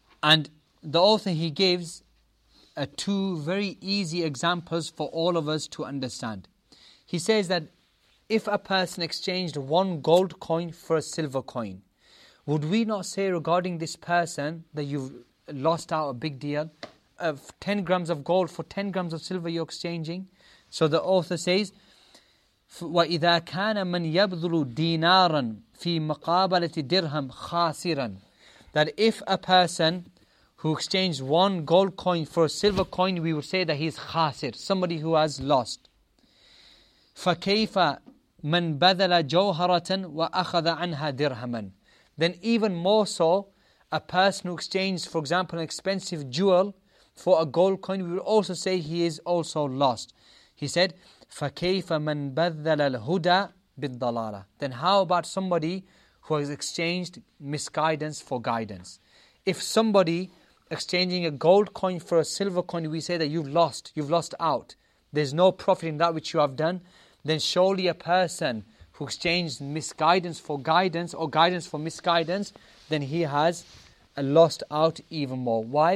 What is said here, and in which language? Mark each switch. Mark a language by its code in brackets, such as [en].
[en] And the author, he gives two very easy examples for all of us to understand. He says that if a person exchanged one gold coin for a silver coin, would we not say regarding this person that you've lost out a big deal? 10 grams of gold for 10 grams of silver you're exchanging? So the author says, [ar] وَإِذَا كَانَ مَنْ يَبْذُلُ دِينَارًا فِي مَقَابَلَةِ دِرْهَمْ خَاسِرًا. [en] That if a person who exchanged one gold coin for a silver coin, we would say that he's khasir, somebody who has lost. [ar] فَكَيْفَ مَنْ بَذَلَ جَوْهَرَةً وَأَخَذَ عَنْهَا دِرْهَمًا. [en] Then even more so, a person who exchanged, for example, an expensive jewel for a gold coin, we would also say he is also lost. He said, [ar] فَكَيْفَ مَنْ بَذَّلَ الْهُدَى بِالضَّلَالَ. [en] Then how about somebody who has exchanged misguidance for guidance? If somebody exchanging a gold coin for a silver coin, we say that you've lost out. There's no profit in that which you have done. Then surely a person who exchanged misguidance for guidance or guidance for misguidance, then he has lost out even more. Why?